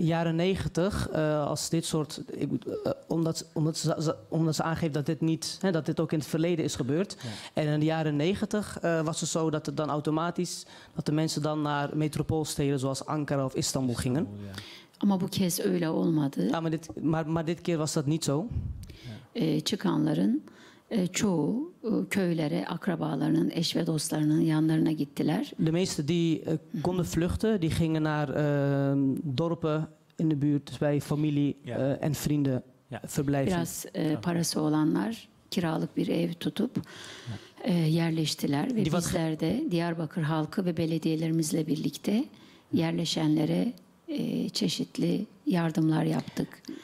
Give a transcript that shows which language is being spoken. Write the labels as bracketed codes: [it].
[nl] Jaren 90 als dit soort omdat ze aangeeft dat dit niet dat dit ook in het verleden is gebeurd. En in de jaren 90 was het zo dat het dan automatisch dat de mensen dan naar metropoolsteden zoals Ankara of Istanbul gingen. [tr] Ama bu kez öyle olmadı. [nl] Maar dit keer was dat niet zo. [tr] Çıkanların çoğu köylere, akrabalarının, eş ve dostlarının yanlarına gittiler. [nl] De meeste die konden vluchten, die gingen naar dorpen in de buurt bij familie en vrienden verblijven. [tr] Biraz parası olanlar kiralık bir ev tutup yerleştiler ve bizler de Diyarbakır halkı ve belediyelerimizle birlikte yerleşenlere çeşitli yardımlar yaptık.